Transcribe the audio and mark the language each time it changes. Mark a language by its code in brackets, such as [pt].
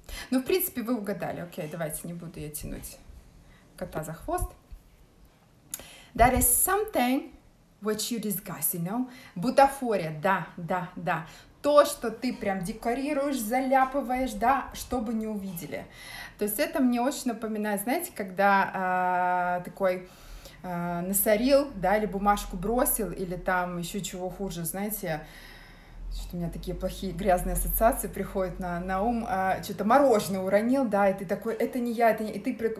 [ru] Ну, в принципе, вы угадали. Окей, давайте, не буду я тянуть кота за хвост. [en] That is something which you disguise, you know? [ru] Бутафория, да. То, что ты прям декорируешь, заляпываешь, да, чтобы не увидели. То есть это мне очень напоминает, знаете, когда такой насорил, да, или бумажку бросил, или там еще чего хуже, знаете, что-то у меня такие плохие грязные ассоциации приходят на ум, что-то мороженое уронил, да, и ты такой, это не я, и ты